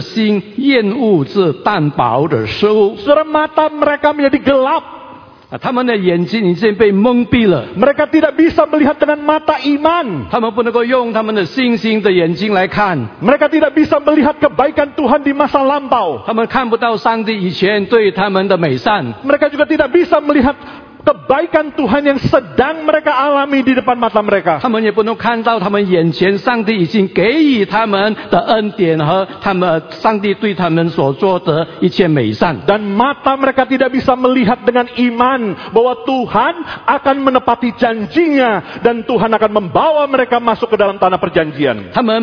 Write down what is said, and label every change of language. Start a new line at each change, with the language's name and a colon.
Chinese: 这里没有粮，没有水，我们的心厌恶这淡薄的食物。
Indonesian: Saudara, mata mereka menjadi gelap.
Chinese: 他们的眼睛已经被蒙蔽了。
Indonesian: Mereka tidak bisa melihat dengan mata iman.
Chinese: 他们不能够用他们的信心的眼睛来看。
Indonesian: Mereka tidak bisa melihat kebaikan Tuhan di masa lampau.
Chinese: 他们看不到上帝以前对他们的美善。
Indonesian: Mereka juga tidak bisa melihat kebaikan Tuhan yang sedang mereka alami di depan mata mereka.
Chinese: 他们也不能看到他们眼前上帝已经给予他们的恩典和他们上帝对他们所做的一切美善。
Indonesian: Dan mata mereka tidak bisa melihat dengan iman bahwa Tuhan akan menepati janjinya dan Tuhan akan membawa mereka masuk ke dalam tanah perjanjian.